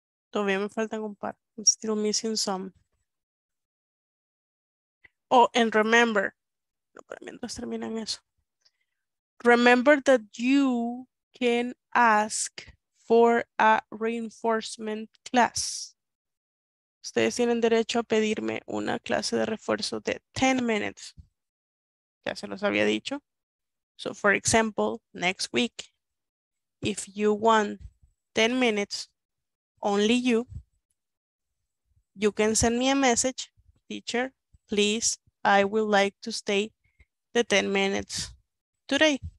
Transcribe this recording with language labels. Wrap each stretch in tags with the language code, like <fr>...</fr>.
<es>Todavía me faltan un par.</es> <en>I'm still missing some. Oh, and remember.</en> <es>No, pero mientras terminan eso.</es> <en>Remember that you can ask for a reinforcement class.</en> <es>Ustedes tienen derecho a pedirme una clase de refuerzo de</es> <en>10 minutes.</en> <es>Ya se los había dicho.</es> <en>So, for example, next week, if you want 10 minutes, only you, you can send me a message, teacher, please, I would like to stay the 10 minutes today.</en>